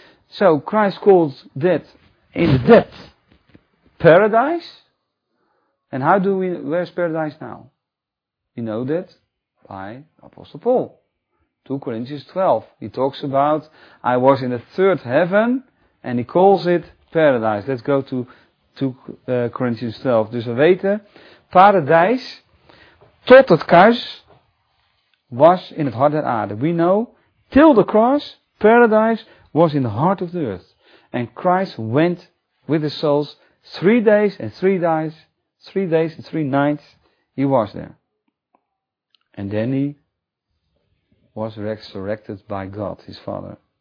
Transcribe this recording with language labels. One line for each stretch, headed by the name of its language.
English: So Christ calls that in the dead paradise. And how do we, where's paradise now? We know that by Apostle Paul. 2 Corinthians 12. He talks about, I was in the third heaven and he calls it paradise. Let's go to 2 Corinthians 12.
Dutch: Dus we weten, paradise tot het kruis was in het hart der aarde.
English: We know, till the cross, paradise was in the heart of the earth. And Christ went with his souls 3 days and 3 nights, he was there. And then he was resurrected by God, his Father.